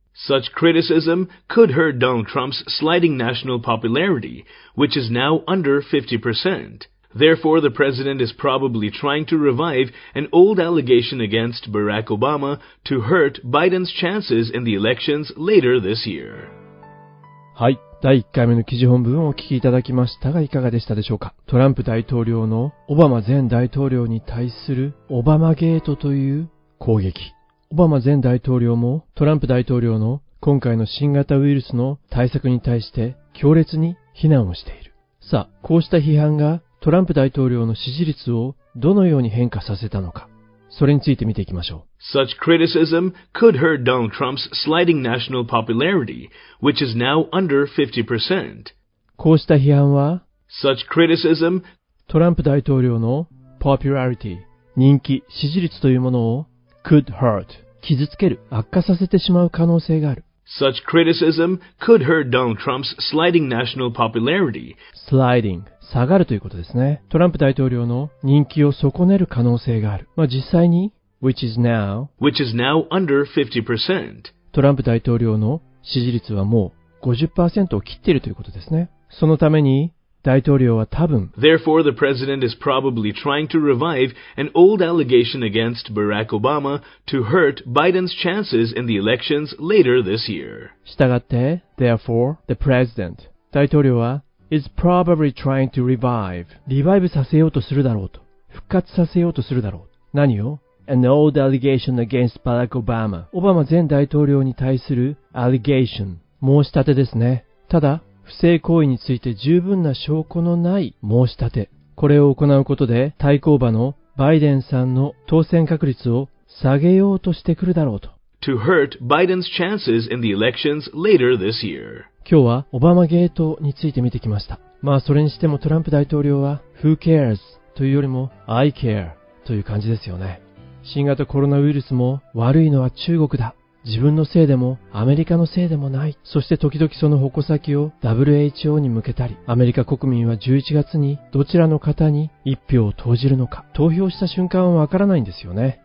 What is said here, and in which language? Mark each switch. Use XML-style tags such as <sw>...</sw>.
<en>Such criticism could hurt Donald Trump's sliding national popularity, which is now under 50%. Therefore, the president is probably trying to revive an old allegation against Barack Obama to hurt Biden's chances in the elections later this year.</en> <ja>はい、第1回目の記事本文をお聞きいただきましたが、いかがでしたでしょうか。トランプ大統領のオバマ前大統領に対するオバマゲートという攻撃。オバマ前大統領もトランプ大統領の今回の新型ウイルスの対策に対して強烈に非難をしている。さあ、こうした批判がトランプ大統領の支持率をどのように変化させたのか。それについて見ていきましょう。</ja> <en>Such criticism could hurt Donald Trump's sliding national popularity, which is now under 50%.</en> <ja>こうした批判は</ja> <en>Such criticism</en> <ja>トランプ大統領の</ja> <en>popularity、</en> <ja>人気、支持率というものを</ja> <en>Could hurt</en> <ja>傷つける、悪化させてしまう可能性がある。</ja> <en>Such criticism could hurt Donald Trump's sliding national popularity. Sliding</en> <ja>下がるということですね。トランプ大統領の人気を損ねる可能性がある。まあ実際に</ja> <en>which is now under 50%。</en> <ja>トランプ大統領の支持率はもう 50% を切っているということですね。そのために大統領は多分</ja> <en>Therefore, the president is probably trying to revive an old allegation against Barack Obama to hurt Biden's chances in the elections later this year.</en> <ja>したがって</ja> <en>Therefore, the president</en> <ja>大統領は</ja> <en>is probably trying to revive</en> <ja>リバイブさせようとするだろうと復活させようとするだろう何を</ja> <en>An old allegation against Barack Obama</en> <ja>オバマ前大統領に対する</ja> <en>allegation</en> <ja>申し立てですねただ不正行為について十分な証拠のない申し立て。これを行うことで対抗馬のバイデンさんの当選確率を下げようとしてくるだろうと。</ja> <en>To hurt Biden's chances in the elections later this year.</en> <ja>今日はオバマゲートについて見てきました。まあそれにしてもトランプ大統領は</ja> <en>Who cares?</en> <ja>というよりも</ja> <en>I care</en> <ja>という感じですよね。新型コロナウイルスも悪いのは中国だ。自分のせいでもアメリカのせいでもない。そして時々その矛先を WHO に向けたり、アメリカ国民は11月にどちらの方に一票を投じるのか、投票した瞬間はわからないんですよね。</ja>